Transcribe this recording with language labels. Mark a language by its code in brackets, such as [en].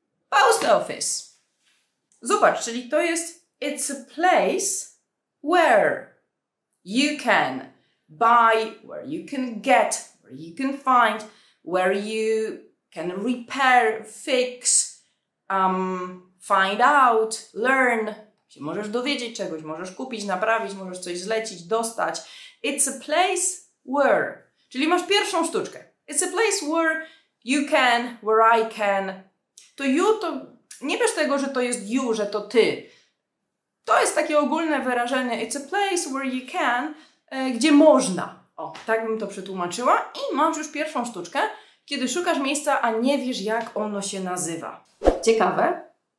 [en] Post office. [pl] Zobacz, czyli to jest, [en] it's a place where you can buy, where you can get, where you can find, where you can repair, fix, find out, learn. [pl] Możesz dowiedzieć czegoś, możesz kupić, naprawić, możesz coś zlecić, dostać. [en] It's a place where. [pl] Czyli masz pierwszą sztuczkę. [en] It's a place where you can, where I can. [pl] To you to... Nie bierz tego, że to jest you, że to ty. To jest takie ogólne wyrażenie. [en] It's a place where you can, [pl] gdzie można. O, tak bym to przetłumaczyła. I masz już pierwszą sztuczkę, kiedy szukasz miejsca, a nie wiesz, jak ono się nazywa. Ciekawe.